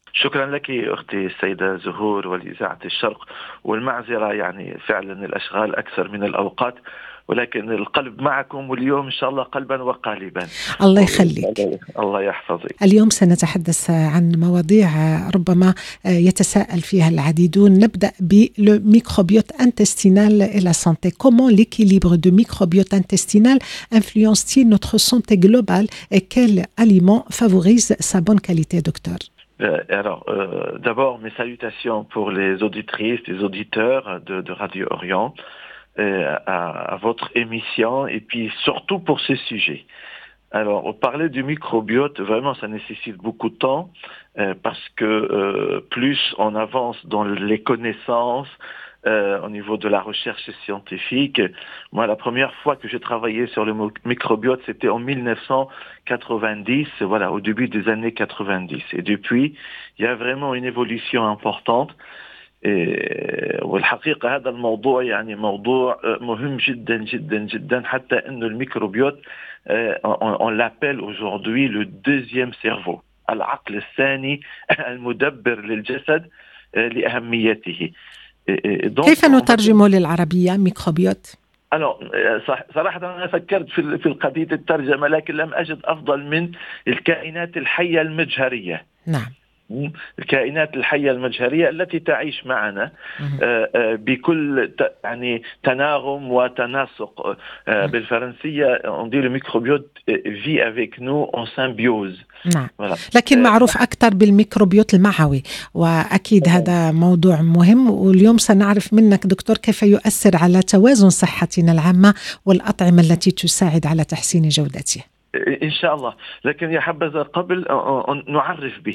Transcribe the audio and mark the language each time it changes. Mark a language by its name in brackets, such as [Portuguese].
[Arabic] شكرا لك أختي السيدة زهور والإذاعة الشرق، والمعذرة يعني فعلا الأشغال أكثر من الأوقات، ولكن القلب معكم واليوم إن شاء الله قلبا وقالبا. الله يخليك. الله يحفظك. اليوم سنتحدث عن مواضيع ربما يتساءل فيها العديدون. نبدأ بالميكروبيوت [French] انتستينال إلى سانتي. Comment l'équilibre de microbiote intestinal influence-t-il notre santé globale et quel aliment favorise sa bonne qualité, docteur? Alors, d'abord, mes salutations pour les auditrices, les auditeurs de Radio Orient. À votre émission et puis surtout pour ce sujet. Alors, parler du microbiote, vraiment, ça nécessite beaucoup de temps parce que plus on avance dans les connaissances au niveau de la recherche scientifique. Moi, la première fois que j'ai travaillé sur le microbiote, c'était en 1990, voilà, au début des années 90. Et depuis, il y a vraiment une évolution importante. [Arabic] والحقيقة هذا الموضوع يعني موضوع مهم جدا جدا جدا حتى إنه الميكروبيوت [French] on l'appelle aujourd'hui le deuxième cerveau, [Arabic] العقل الثاني المدبر للجسد لأهميته. كيف نترجمه للعربية ميكروبيوت؟ Alors, صراحة أنا فكرت في القضية الترجمة لكن لم أجد أفضل من الكائنات الحية المجهرية. نعم. الكائنات الحية المجهرية التي تعيش معنا بكل يعني تناغم وتناسق. بالفرنسية نقول الميكروبيوت في [French] avec nous en symbiose. [Arabic] لكن معروف أكثر بالميكروبيوت المعوي، وأكيد هذا موضوع مهم، واليوم سنعرف منك دكتور كيف يؤثر على توازن صحتنا العامة والأطعمة التي تساعد على تحسين جودتها. إن شاء الله، لكن يا حبذا قبل نعرف به.